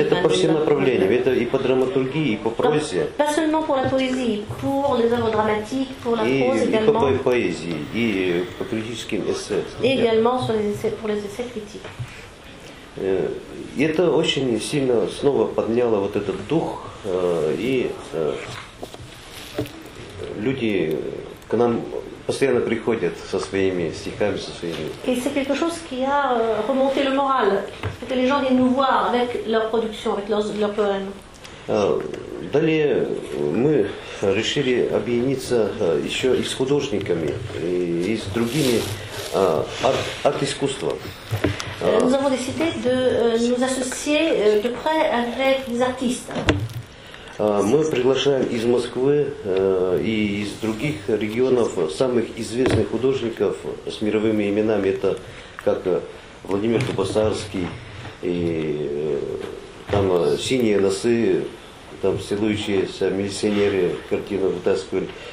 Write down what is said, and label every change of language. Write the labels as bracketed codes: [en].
[ru] Это по всем направлениям, это и по драматургии, и по прозе. [fr] Pas seulement pour la poésie, pour les œuvres dramatiques, pour la prose également. [ru] И по поэзии, и по критическим эссе. [fr] Et également sur les essais, pour les essais critiques. [ru] И это очень сильно снова подняло вот этот дух, и люди к нам постоянно приходят со своими стихами, со своими. [fr] Et c'est quelque chose qui a remonté le moral, que les gens viennent nous voir avec leur production, avec leur poème. [ru] Далее мы решили объединиться еще и с художниками и с другими арт-искусством. [fr] Nous avons décidé de nous associer de près avec des artistes. [ru] Мы приглашаем из Москвы и из других регионов самых известных художников с мировыми именами. Это как Владимир Тубасарский, и там «Синие носы», там следующиеся милиционеры картину вытаскивали.